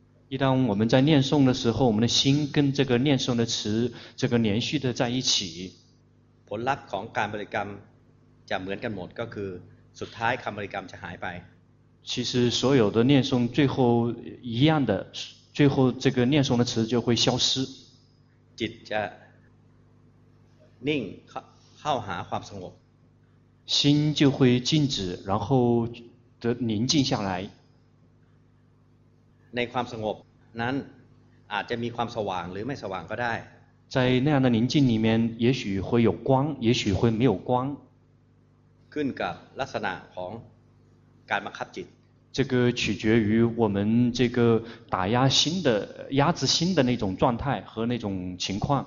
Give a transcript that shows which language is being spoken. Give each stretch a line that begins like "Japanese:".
Chinese: 一当我们在念诵的时候我们的心跟这个念诵的词这个连续的在一起
Thai: ผลลัพธ์ของการบริกรรมจะเหมือนกันหมดก็คือสุดท้ายคำบริกรรมจะหายไป
Chinese: 其实所有的念诵最后一样的最后这个念诵的词就会消失
Thai: จิตจะนิ่งเข้าหาความสงบ
Chinese: 心就会静止然后的宁静下来
Thai: ในความสงบนั้นอาจจะมีความสว่างหรือไม่สว่างก็ได้
Chinese: 在那样的宁静里面也许会有光也许会没有光
Thai: ขึ้นกับลักษณะของการบังคับจิต
Chinese: 这个取决于我们这个打压心的压制心的那种状态和那种情况